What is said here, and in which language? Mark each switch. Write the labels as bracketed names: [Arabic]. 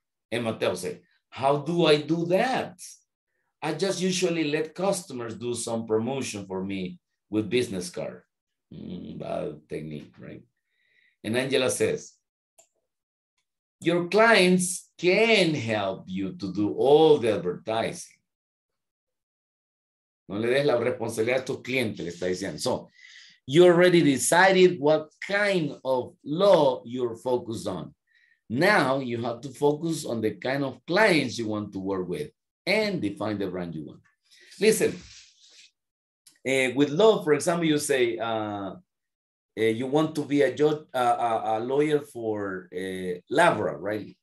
[English] And Mateo said, how do I do that? I just usually let customers do some promotion for me with business card. Bad technique, right? And Angela says, your clients can help you to do all the advertising. [Spanish] No le des la responsabilidad a tu cliente, le está diciendo. [English] So you already decided what kind of law you're focused on. Now you have to focus on the kind of clients you want to work with and define the brand you want. Listen, with law, for example, you say you want to be a judge, a lawyer for labor, right?